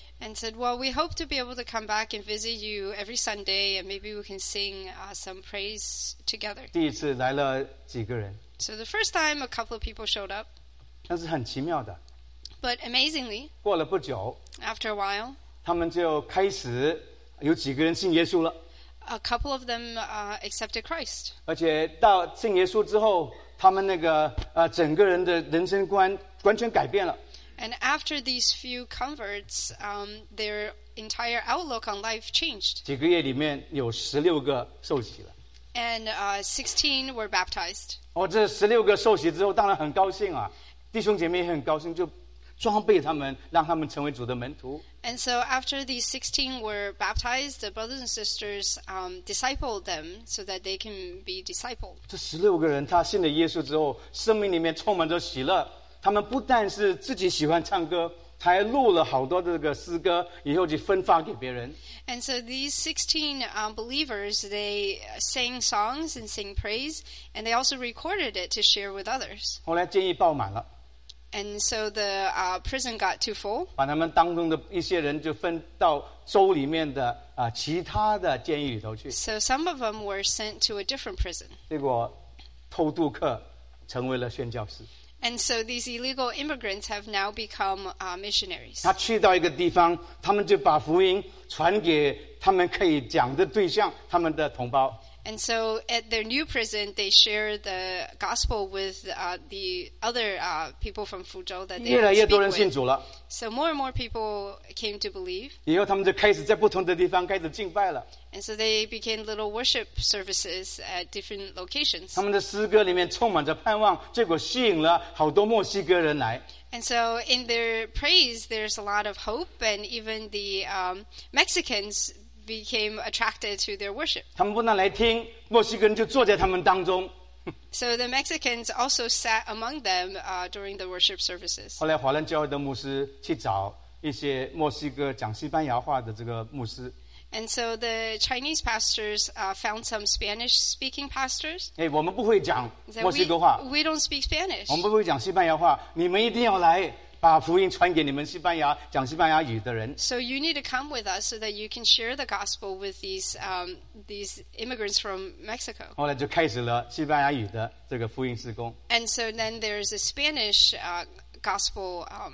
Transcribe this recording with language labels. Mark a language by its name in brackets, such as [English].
[English] And said, well, we hope to be able to come back and visit you every Sunday, and maybe we can sing some praise together. [Chinese] 第一次来了几个人。 [English] So the first time, a couple of people showed up. [Chinese] 但是很奇妙的。 [English] But amazingly, [Chinese] 过了不久， [English] after a while, [Chinese] 他们就开始有几个人信耶稣了。 [English] A couple of them accepted Christ. [Chinese] 而且到信耶稣之后，他们那个整个人的人生观完全改变了。 [English] And after these few converts, their entire outlook on life changed. [Chinese] 几个月里面有十六个受洗了。 [English] And 16 were baptized. [Chinese] 哦，这十六个受洗之后，当然很高兴啊，弟兄姐妹也很高兴，就装备他们，让他们成为主的门徒。 [English] And so after these 16 were baptized, the brothers and sisters discipled them so that they can be discipled. [Chinese] 这十六个人他信了耶稣之后，生命里面充满着喜乐。他们不但是自己喜欢唱歌，他还录了好多的这个诗歌，以后就分发给别人。 [English] And so these 16 believers, they sang songs and sang praise, and they also recorded it to share with others. [Chinese] 后来监狱爆满了。 [English] And so the prison got too full. [Chinese] 把他们当中的一些人就分到州里面的其他的监狱里头去。 [English] So some of them were sent to a different prison. [Chinese] 结果偷渡客成为了宣教士。 [English] And so these illegal immigrants have now become missionaries. [Chinese] 他去到一个地方，他们就把福音传给他们可以讲的对象，他们的同胞。 [English] And so at their new prison, they share the gospel with the other people from Fuzhou that they speak with. [Chinese] 越来越多人信主了。 [English] So more and more people came to believe. [Chinese] 以后他们就开始在不同的地方开始敬拜了。 [English] And so they began little worship services at different locations. [Chinese] 他们的诗歌里面充满着盼望，结果吸引了好多墨西哥人来。 [English] And so in their praise, there's a lot of hope, and even the Mexicans became attracted to their worship. [Chinese] 他们不但来听，墨西哥人就坐在他们当中。 [English] So the Mexicans also sat among them during the worship services. [Chinese] 后来华人教会的牧师去找一些墨西哥讲西班牙话的这个牧师。 [English] And so the Chinese pastors found some Spanish-speaking pastors. [Chinese] Hey, 我们不会讲墨西哥话。 [English] We don't speak Spanish. [Chinese] 我们不会讲西班牙话。你们一定要来，把福音传给你们西班牙讲西班牙语的人。 [English] So you need to come with us so that you can share the gospel with these immigrants from Mexico. [Chinese] 后来就开始了西班牙语的这个福音事工。 [English] And so then there's a Spanish gospel.